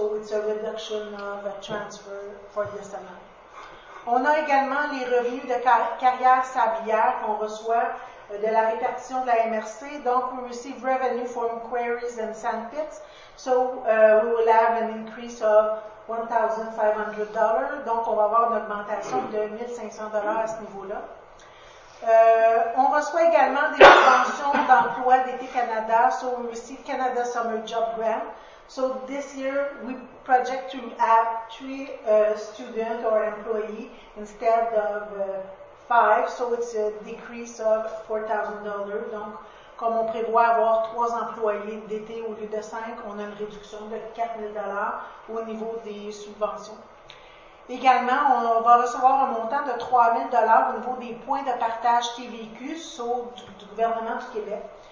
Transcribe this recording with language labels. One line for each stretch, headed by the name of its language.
English: So it's a reduction of a transfer for this amount.
French: On a également les revenus de carrière sablière qu'on reçoit de la répartition de la MRC.
English: Donc, we receive revenue from quarries and sand pits. So we will have an increase of $1,500.
French: Donc, on va avoir une augmentation de $1,500 à ce niveau-là. On reçoit également des subventions d'emploi d'été Canada,
English: so we receive Canada Summer Job Grant. So this year we project to have three students or employees instead of five, so it's a decrease of $4,000.
French: Donc, comme on prévoit avoir trois employés d'été au lieu de cinq, on a une réduction de $4,000 au niveau des subventions. Également, on va recevoir un montant de $3,000 au niveau des points de partage TVQ du gouvernement du Québec.